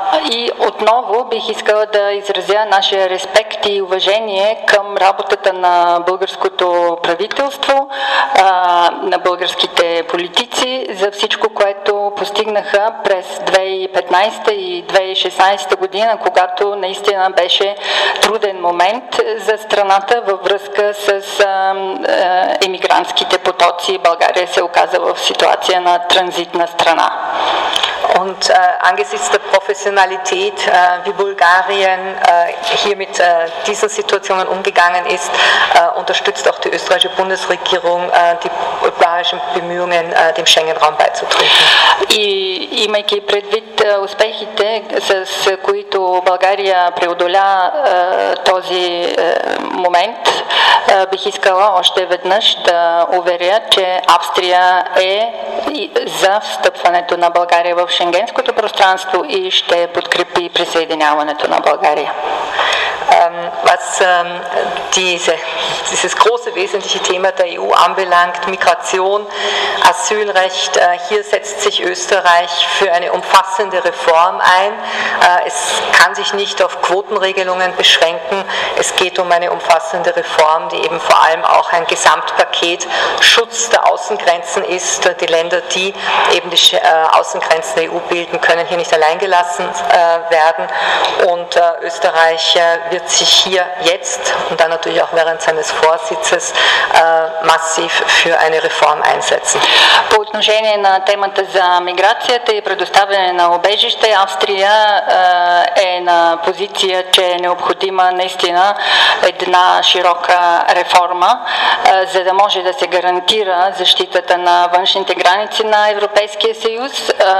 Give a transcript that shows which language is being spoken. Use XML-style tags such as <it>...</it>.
<bg>И отново бих искала да изразя нашия респект и уважение към работата на българското правителство, на българските политици за всичко, което постигнаха през 2015 и 2016 година, когато наистина беше труден момент за страната във връзка с емигрантските потоци. България се оказа в ситуация на транзитна страна.</bg> <de>Und angesichts der Professionalität, wie Bulgarien hier mit diesen Situationen umgegangen ist, unterstützt auch die österreichische Bundesregierung die bulgarischen Bemühungen, dem Schengen-Raum beizutreten.</de> <bg>Имайки предвид успехите, с които България преодоля този момент, бих искала още веднъж да уверя, че Австрия е за встъпването на България в Шенгенското пространство и ще подкрепи присъединяването на България.</bg> <de>Was dieses große wesentliche Thema der EU anbelangt, Migration, Asylrecht, hier setzt sich Österreich für eine umfassende Reform ein. Es kann sich nicht auf Quotenregelungen beschränken. Es geht um eine umfassende Reform, die eben vor allem auch ein Gesamtpaket Schutz der Außengrenzen ist. Die Länder, die eben die Außengrenzen der EU bilden, können hier nicht allein gelassen werden. Und Österreich wird sich hier jetzt und dann natürlich auch während seines Vorsitzes massiv für eine Reform einsetzen.</de> <bg>По отношение на темата за миграцията и предоставяне на убежище, Австрия е на позиция, че е необходима наистина една широка реформа, за да може да се гарантира защитата на външните граници на Европейския съюз.</bg>